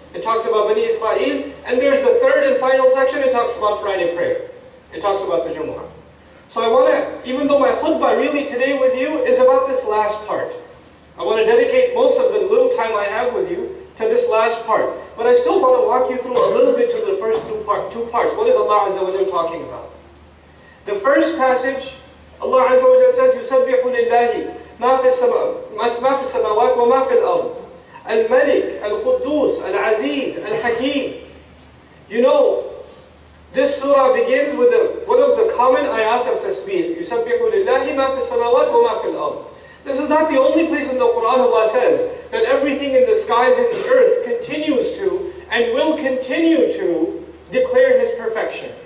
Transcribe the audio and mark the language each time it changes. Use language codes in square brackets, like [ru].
[en] It talks about Bani Ismail, and there's the third and final section, it talks about Friday prayer. It talks about the Jummah. So I want to, even though my khutbah really today with you is about this last part, I want to dedicate most of the little time I have with you to this last part. But I still want to walk you through a little bit to the first two parts. What is Allah Azza wa Jalla talking about? The first passage, Allah Azza wa Jalla says, [ar] يُسَبِّحُ لِلَّهِ مَا فِي السَّمَاوَاتِ وَمَا فِي الْأَرْضِ الْمَلِكِ الْقُدُّوسِ الْعَزِيزِ الْحَكِيمِ. [en] You know, this surah begins with one of the common ayat of tasbih. [ar] يُسَبِّحُ لِلَّهِ مَا فِي السَّمَاوَاتِ وَمَا فِي الْأَرْضِ. [en] This is not the only place in the Quran Allah says that everything in the skies and the earth continues to and will continue to declare His perfection.